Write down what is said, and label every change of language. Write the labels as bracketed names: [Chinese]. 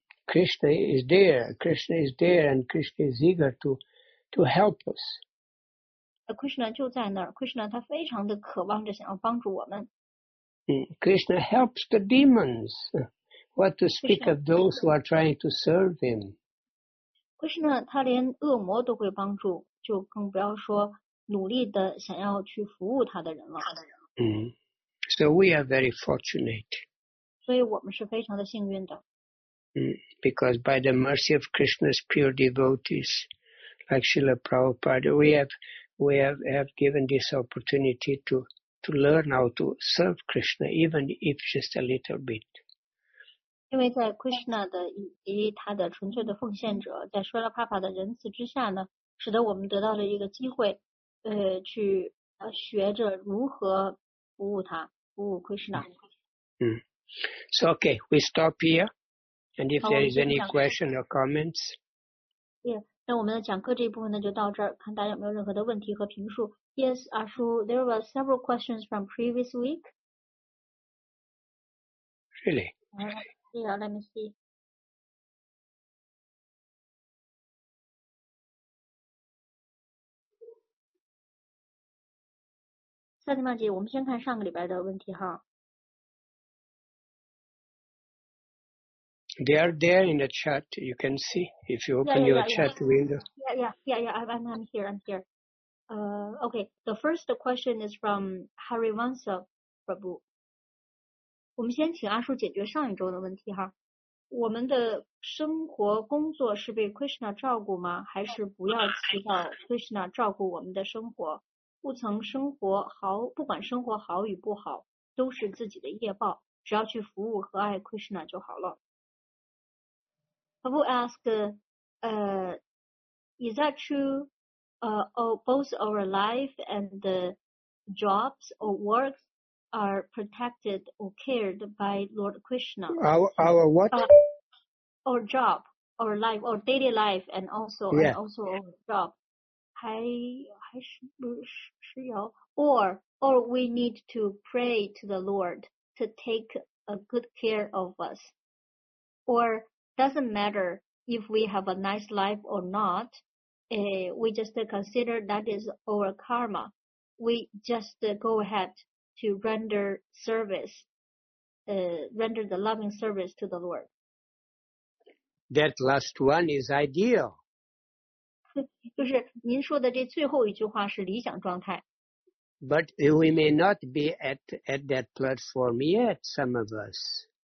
[English] Krishna is there. Krishna is there, and Krishna is eager to help us. [Chinese] Krishna 就在那儿。Krishna 他非常的渴望着想要帮助我们。 [English] Krishna helps the demons. What to speak of those who are trying to serve him? [Chinese] Krishna 他连恶魔都会帮助，就更不要说努力的想要去服务他的人了。 [English] So we are very fortunate. [Chinese] 所以我们是非常的幸运的。 [English] Because by the mercy of Krishna's pure devotees, like Srila Prabhupada, we have given this opportunity to learn how to serve Krishna, even if just a little bit. [Chinese] 因为在 Krishna 的以及他的纯粹的奉献者，在 Srila Prabhupada 的仁慈之下呢，使得我们得到了一个机会，去学着如何服务他，服务 Krishna. [English] So okay, we stop here. And if there is any question or comments, yeah. [Chinese] 那我们的讲课这一部分呢就到这儿，看大家有没有任何的问题和评述。 [English] Yes, Ashu, there were several questions from previous week. Really? Yeah. Let me see. [Chinese] 萨提曼姐，我们先看上个礼拜的问题哈。 [English] They are there in the chat. You can see if you open chat window. I'm here. I'm here. Okay. The first question is from Harivansa Prabhu. [Chinese] 我们先请阿叔解决上一周的问题哈。我们的生活工作是被 Krishna 照顾吗？还是不要祈祷 Krishna 照顾我们的生活？不曾生活好，不管生活好与不好，都是自己的业报。只要去服务和爱 Krishna 就好了。 [English] Prabhu asked, is that true, both our life and the jobs or works are protected or cared by Lord Krishna? Our what? Our job, our life, our daily life, and also,、 yeah. and also our job. [Chinese] 还是有 [English] or we need to pray to the Lord to take a good care of us. Or,doesn't matter if we have a nice life or not, we just consider that is our karma. We just go ahead to render service, render the loving service to the Lord. That last one is ideal. [Chinese] 就是您说的这最后一句话是理想状态。 [English] But we may not be at that platform yet, some of us.